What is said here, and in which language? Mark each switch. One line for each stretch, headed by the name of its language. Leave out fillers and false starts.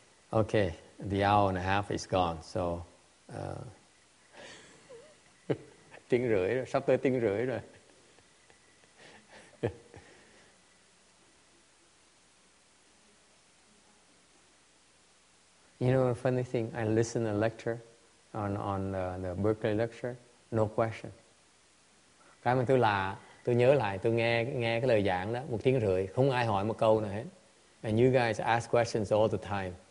English: Okay, the hour and a half is gone, so
Vietnamese: tiếng rưỡi rồi, sắp tới tiếng rưỡi rồi.
English: You know, a funny thing, I listen to a lecture on the Berkeley lecture, no question.
Vietnamese: Cái mà tôi nhớ lại, tôi nghe cái lời giảng đó, một tiếng rưỡi, không ai hỏi một câu nào hết.
English: And you guys ask questions all the time.